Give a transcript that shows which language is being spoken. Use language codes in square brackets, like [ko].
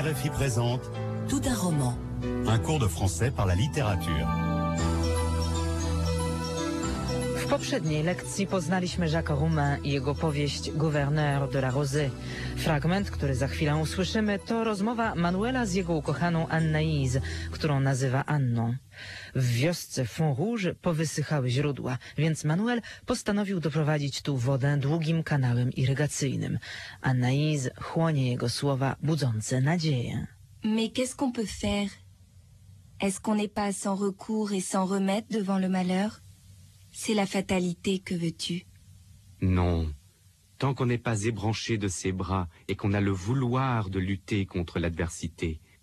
[fr] Présente tout un roman, un cours de français par la littérature. [pl] poprzedniej lekcji poznaliśmy Jacques Roumain i jego powieść Gouverneur de la Rosée. Fragment, który za chwilę usłyszymy, to rozmowa Manuela z jego ukochaną Anaïs, którą nazywa Anną. W wiosce Font Rouge powysychały źródła, więc Manuel postanowił doprowadzić tu wodę długim kanałem irygacyjnym. Anaïs chłonie jego słowa budzące nadzieję. [fr] Mais qu'est-ce qu'on peut faire? Est-ce qu'on n'est pas sans recours et sans remède devant le malheur? C'est la fatalité, que veux-tu? Non. Tant qu'on n'est pas ébranché de ses bras et qu'on a le vouloir de lutter contre l'adversité.